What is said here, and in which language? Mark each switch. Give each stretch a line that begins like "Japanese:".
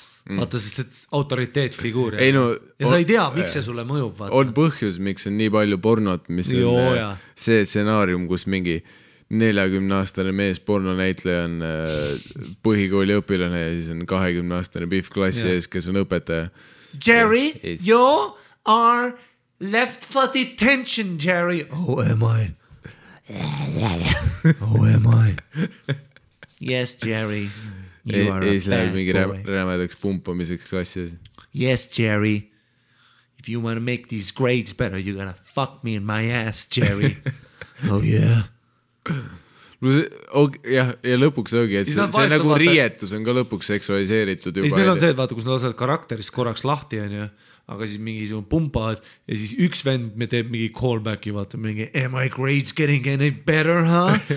Estonian: Vaata, sest et autoriteet figuur. Ei, no, ja sa ei tea, miks see sulle mõjub. Vaata. On põhjus, miks on nii palju pornot, mis joo, on see senaarium, kus mingi 40-aastane mees pornonäitleja on põhikooli õpilane ja siis on 20-aastane biff klassi ees, kes on õpetaja.
English: Jerry, you are left for detention, Jerry. Oh, am I? Oh, am I? Yes, Jerry.
Estonian: Ees läheb mingi rämedaks pumpamiseks klassis.
English: Yes, Jerry. If you want to make these grades better, you're gonna fuck me in my ass, Jerry. Oh, yeah.
Estonian: Ja lõpuks ongi, et see nagu riietus on ka lõpuks seksualiseeritud. Siis neil on see, et vaata, kus nad osad karakterist korraks lahti on, aga siis mingi sul pumpad ja siis üks vend me teeb mingi callback ja vaata mingi,
English: am I grades getting any better, huh?